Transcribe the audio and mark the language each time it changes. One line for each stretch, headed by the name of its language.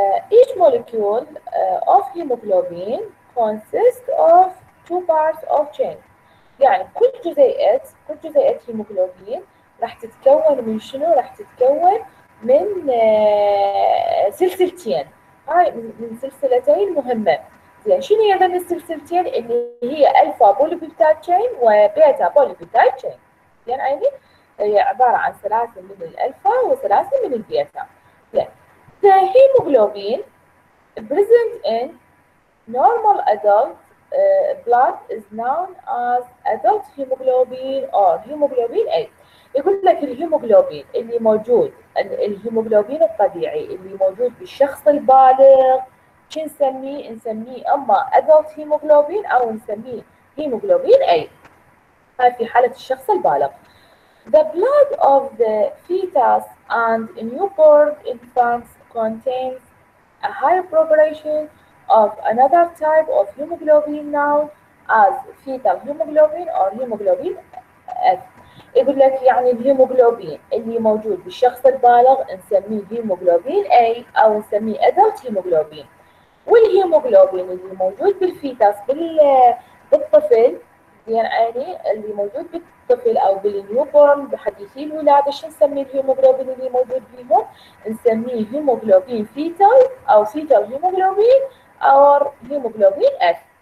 English: each molecule of hemoglobin consists of two parts of chain.
Arabic: يعني كل جزيئة هيموغلوبين راح تتكون من شنو؟ راح تتكون من سلسلتين، هاي من سلسلتين مهمة. زين شنو هي هذول السلسلتين؟ اللي هي الفا بوليبيبتايد تشين وبيتا بوليبيبتايد تشين. زين عيني هي عبارة عن سلاسل من الألفا وسلاسل من البيتا.
English: The hemoglobin present in normal adult blood is known as adult hemoglobin or hemoglobin A.
Arabic: يقول لك الهيموغلوبين اللي موجود، الهيموغلوبين الطبيعي اللي موجود بالشخص البالغ شو نسميه؟ نسميه اما adult hemoglobin او نسميه hemoglobin A. هاي في حالة الشخص البالغ.
English: The blood of the fetus and newborn infants contains a higher proportion of another type of hemoglobin known as fetal hemoglobin or hemoglobin F.
Arabic: يقول لك يعني الهيموغلوبين اللي موجود بالشخص البالغ نسميه هيموغلوبين A او نسميه adult hemoglobin. والهيموغلوبين اللي موجود بالفيتاس بالطفل زين يعني اللي موجود بالطفل او بالنيوبورن بحديثي الولاده شو نسمي الهيموغلوبين اللي موجود بيهم؟ نسميه هيموغلوبين فيتال او فيتال هيموغلوبين او هيموغلوبين اف.